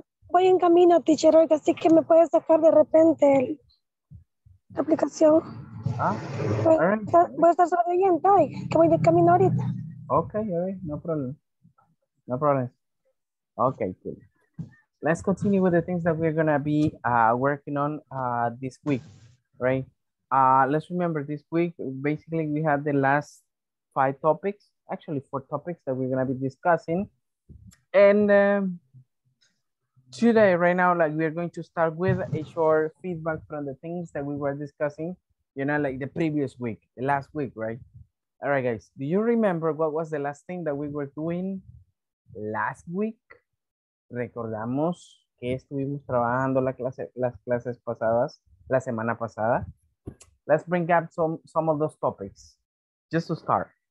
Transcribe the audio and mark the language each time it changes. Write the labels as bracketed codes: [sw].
[es] Voy en camino, teacher, así que me puedes sacar de repente la aplicación. Voy a estar sobreviviente hoy, que voy de camino ahorita. [en] Ok, no problem. Ok, cool. Let's continue with the things that we're going to be working on this week, right? Let's remember this week, basically we have the last five topics, actually four topics that we're going to be discussing. And today, right now, like we are going to start with a short feedback from the things that we were discussing, you know, like the previous week, the last week, right? All right, guys, do you remember what was the last thing that we were doing last week? [es] ¿Recordamos que estuvimos trabajando las clases pasadas, la semana pasada? [en] Let's bring up some of those topics, just to start.